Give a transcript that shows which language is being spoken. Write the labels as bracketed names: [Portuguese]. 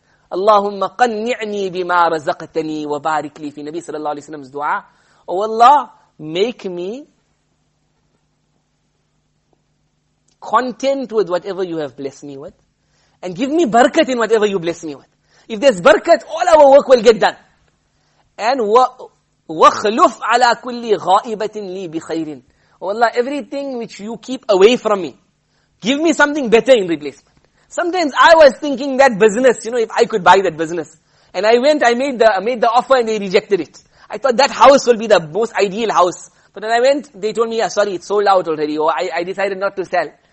[Arabic] Allahumma qanni'ni bima razaqtani wa barikli fi [English] Nabi sallallahu alayhi wa sallam's dua. Oh Allah, make me content with whatever you have blessed me with. And give me barakat in whatever you bless me with. If there's barakat, all our work will get done. [Arabic] And وَخْلُفْ عَلَىٰ كُلِّ غَائِبَةٍ لِي بِخَيْرٍ. [English] Oh Allah, everything which you keep away from me, give me something better in replacement. Sometimes I was thinking that business, you know, if I could buy that business. And I went, I made the offer and they rejected it. I thought that house will be the most ideal house. But then I went, they told me, yeah, sorry, it's sold out already. Or I decided not to sell.